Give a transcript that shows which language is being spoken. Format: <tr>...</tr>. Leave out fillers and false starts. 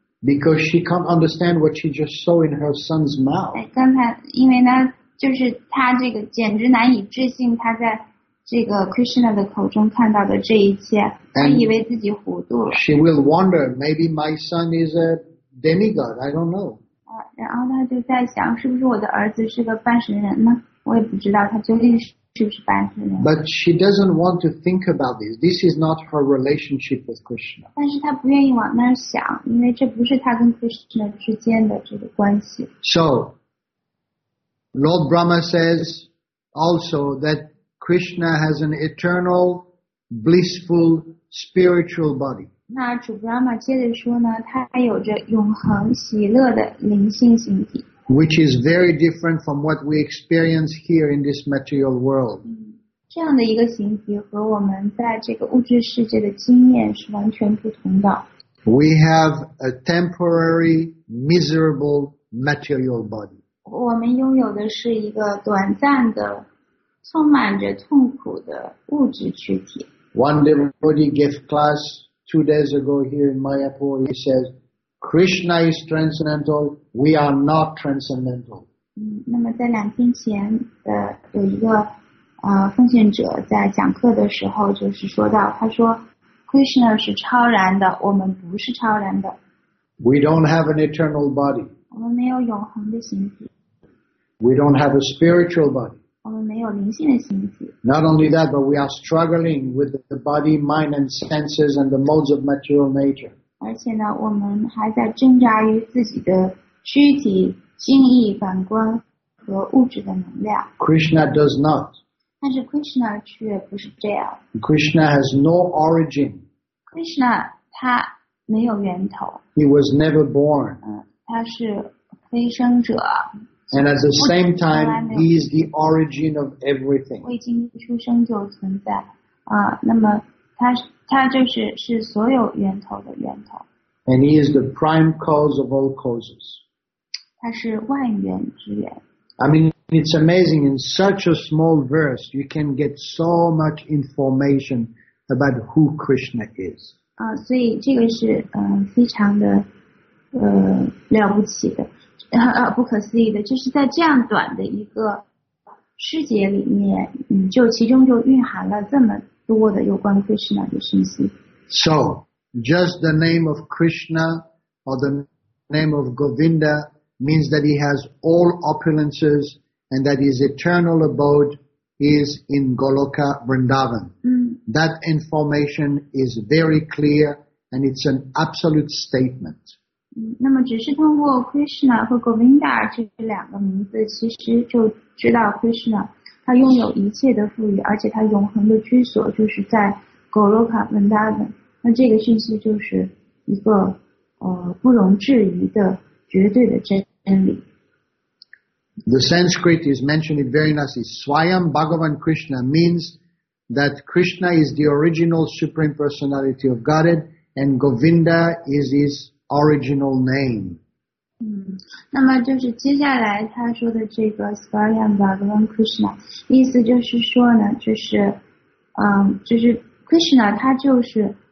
<en>Because she can't understand what she just saw in her son's mouth.</en> <zh>刚才因为呢，就是他这个简直难以置信他在这个 Krishna 的口中看到的这一切，他以为自己糊涂了。</zh> <en>She will wonder, maybe my son is a demigod, I don't know.</en> <zh>然后他就在想，是不是我的儿子是个半神人呢？我也不知道他究竟是不是半神人。</zh> <en>But she doesn't want to think about this. This is not her relationship with Krishna.</en> <zh>但是他不愿意往那儿想，因为这不是他跟 Krishna 之间的这个关系。</zh> <en>So, Lord Brahma says also that Krishna has an eternal, blissful, spiritual body.</en> <zh>那主 Brahma 接着说呢，他有着永恒喜乐的灵性形体。</zh> <en>Which is very different from what we experience here in this material world.</en> <zh>这样的一个形体和我们在这个物质世界的经验是完全不同的。</zh> <en>We have a temporary, miserable material body.</en> <zh>我们拥有的是一个短暂的充满着痛苦的物质躯体。</zh> <en>One devotee gave class 2 days ago here in Mayapur. He says, "Krishna is transcendental. We are not transcendental."</en> <zh>那么在两天前的有一个奉献者在讲课的时候，就是说到，他说 ，Krishna 是超然的，我们不是超然的。</zh> <en>We don't have an eternal body.</en> <zh>我们没有永恒的形体。</zh> <en>We don't have a spiritual body.</en> <zh>我们没有灵性的形体。</zh> <en>Not only that, but we are struggling with the body, mind, and senses and the modes of material nature.</en> <zh>而且呢，我们还在挣扎于自己的躯体、心意、感官和物质的能量。</zh> <en>Krishna does not.</en> <zh>但是 Krishna 却不是这样。</zh> <en>Krishna has no origin.</en> <zh>Krishna 他没有源头。</zh> <en>He was never born.</en> <zh>他是非生者。</zh> <en>And at the same time, he is the origin of everything.</en> <zh>我已经出生就存在，那么他就是所有源头的源头。</zh> <en>And he is the prime cause of all causes.</en> <zh>他是万源之源。</zh> <en>I mean, it's amazing. In such a small verse, you can get so much information about who Krishna is.</en> <zh>所以这个是非常的了不起的。不可思议的，就是在这样短的一个诗节里面，就其中就蕴含了这么多的有关 Krishna 的信息。</zh> <en>So, just the name of Krishna or the name of Govinda means that he has all opulences and that his eternal abode is in Goloka Vrindavan.、That information is very clear and it's an absolute statement.</en> <zh>那么只是通过 Krishna 和 Govinda 这两个名字，其实就知道 Krishna 他拥有一切的富裕，而且他永恒的居所就是在 Goloka Vrindavan。那这个信息就是一个不容置疑的绝对的真理。</zh> <en>The Sanskrit is mentioned very nicely. Swayam Bhagavan Krishna means that Krishna is the original supreme personality of Godhead, and Govinda is his. Original name.</en> <zh>那么就是接下来他说的这个 Swayam Bhagavan Krishna, 意思就是说呢，就是 Krishna 他就是</zh>